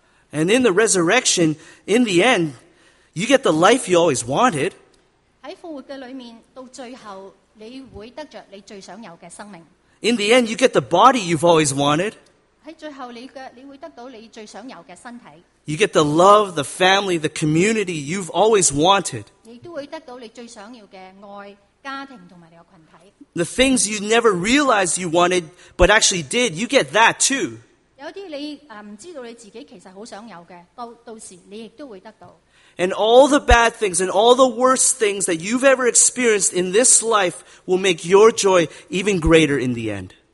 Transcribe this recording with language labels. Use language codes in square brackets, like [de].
[en] And in the resurrection, in the end, you get the life you always wanted. In the end, you get the body you've always wanted. [zh] 在最后你会得到你最想有的身体。 [en] You get the love, the family, the community you've always wanted. [zh] 你都会得到你最想要的爱,家庭和你的群体。 [en] The things you never realized you wanted, but actually did, you get that too. [zh] 有些你知道你自己其实很想有的,到时你也会得到。 [en] And all the bad things and all the worst things that you've ever experienced in this life will make your joy even greater in the end.